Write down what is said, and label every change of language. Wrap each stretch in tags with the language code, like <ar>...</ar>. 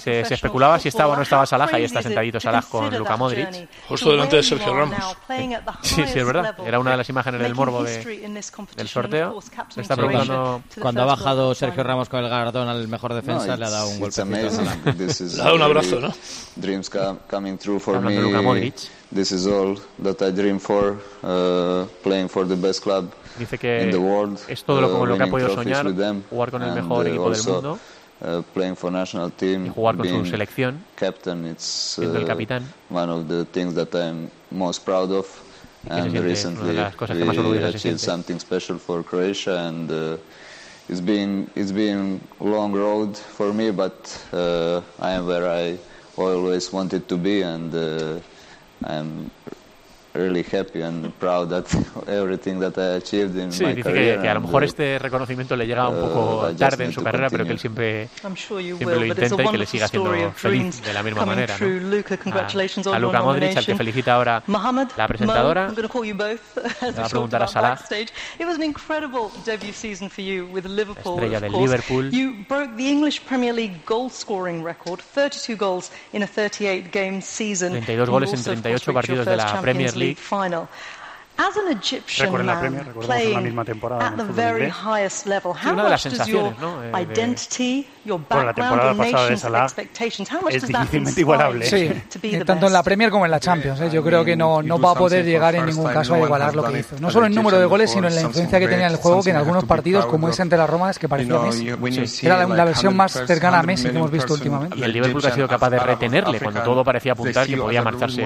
<es>Se especulaba si estaba o no estaba Salah, ahí está sentadito Salah con Luka Modric. Justo delante de Sergio Ramos. Sí, sí, es verdad. Era una de las imágenes del morbo del sorteo. Me está preguntando. Cuando ha bajado Sergio Ramos con el galardón al mejor defensa, le ha dado un golpe. Le ha dado un abrazo, ¿no?</es> <en>Dreams coming true for me. Luka Modric. This is all that I dream for, playing for the best club in the world.</en> <es>Es todo lo como lo que ha podido soñar, jugar con el mejor equipo del mundo,</es> <en>playing for national team,</en> <es>y jugar con su selección,</es> <en>captain,</en> <es>siendo el capitán.</es> <en>One of the things that I'm most proud of, and recently we achieved something special for Croatia, and it's been a long road for me, but I am where I always wanted to be, and I'm really happy and proud that everything that I achieved in</en> <es>sí, dice</es> <en>career.</en> <es>Sí, que a lo mejor este reconocimiento le llega un poco tarde en su carrera, pero que él siempre lo intenta y que le siga haciendo feliz de la misma manera, ¿no?</es> <en>Luka, congratulations</en> <es>a Luka Modric, al que felicita ahora Mohammed, la presentadora. Le va a preguntar a Salah.</es> <en>It was an incredible debut season for you with Liverpool.</en> <es>Estrella del Liverpool.</es> <en>You broke the English Premier League goal scoring record, 32 goals in a 38 game season.</en> <es>32 goles en 38 partidos de la Premier League. Final.</es> <en>As an Egyptian man playing at the very highest level, how much does your identity, your background, your nation's expectations, how much does that inspire you to be the best?</en> <es>Tanto en la Premier como en la Champions, yo creo que no va a poder llegar en ningún caso a igualar lo que hizo. No solo en número de goles, sino en la influencia que tenía en el juego, que en algunos partidos, como ese ante la Roma, es que parecía Messi. Era la versión más cercana a Messi que hemos visto últimamente. Y el Liverpool ha sido capaz de retenerle cuando todo parecía apuntar que podía marcharse.</es>